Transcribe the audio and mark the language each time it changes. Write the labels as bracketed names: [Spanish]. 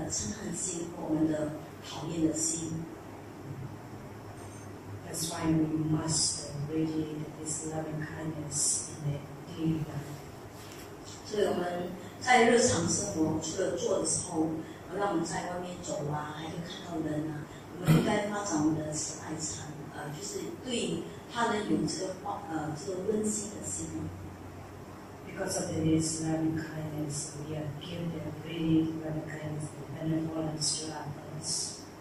[Chinese] Okay.主要呢，那我们修慈爱禅的目的是要减我们嗔心，我们的嗔恨心或我们的讨厌的心。 [English] That's why we must radiate this loving kindness in the daily life. [Chinese] 所以我们在日常生活，除了坐的时候，让我们在外面走啊，还有看到人啊，我们应该发展我们的慈爱禅，就是对他人有这个温馨的心。Because [English] of this loving kindness, we are given really loving kindness and benevolence to others.